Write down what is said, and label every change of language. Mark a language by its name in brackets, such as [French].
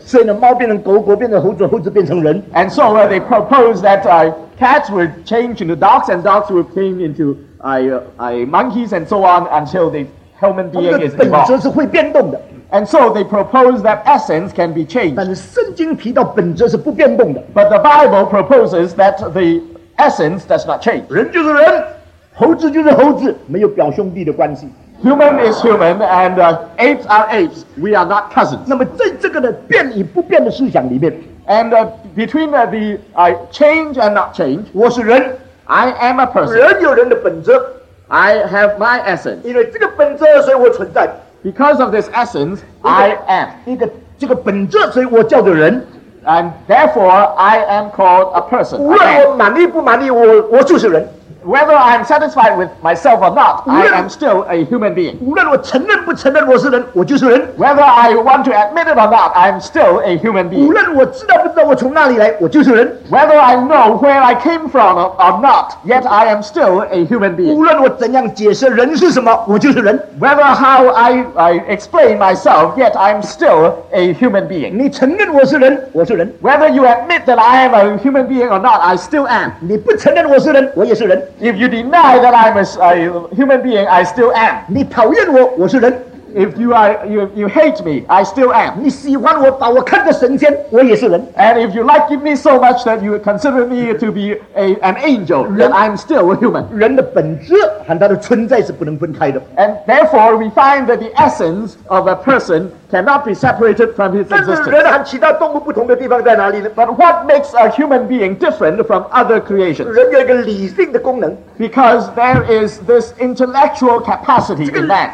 [Chinese] 所以呢，猫变成狗，狗变成猴子，猴子变成人。 [English] And so they propose that cats will change into dogs, and dogs will change into monkeys, and so on until the human being is evolved. [Chinese] 本质是会变动的。 [English] And so they propose that essence can be changed. [Chinese] 但是圣经提到本质是不变动的。 [English] But the Bible proposes that the essence does not change. [Chinese] 人就是人，猴子就是猴子，没有表兄弟的关系。 [English] Human is human, and apes are apes. We are not cousins. [Chinese] 那么在这个的变与不变的思想里面 [English] ，and between change and not change, [Chinese] 我是人 [English] ，I am a person. [Chinese] 人有人的本质 [English] ，I have my essence. [Chinese] 因为这个本质，所以我存在。 [English] Because of this essence, I am. [Chinese] 这个本质，所以我叫的人。 [English] And therefore, I am called a person. [Chinese] 无论我满意不满意，我就是人。 [English] Whether I am satisfied with myself or not, I am still a human being. [Chinese] 无论我承认不承认我是人，我就是人。 [English] Whether I want to admit it or not, I am still a human being. [Chinese] 无论我知道不知道我从哪里来，我就是人。 [English] Whether I know where I came from or not, yet I am still a human being. [Chinese] 无论我怎样解释人是什么，我就是人。 [English] Whether how I explain myself, yet I am still a human being. [Chinese] 你承认我是人，我是人。 [English] Whether you admit that I am a human being or not, I still am. [Chinese] 你不承认我是人，我也是人。 [English] If you deny that I'm a human being, I still am. [Chinese] 你讨厌我，我是人。 [English] If you hate me, I still am. [Chinese] 你喜欢我，把我看得神仙，我也是人。 [English] And if you like me so much that you consider me to be an angel, then I'm still a human. [Chinese] 人的本质和他的存在是不能分开的。 [English] And therefore, we find that the essence of a person cannot be separated from his existence. [Chinese] 但是人和其他动物不同的地方在哪里呢？ [English] But what makes a human being different from other creations? [Chinese] 人有一个理性的功能。 [English] Because there is this intellectual capacity in man.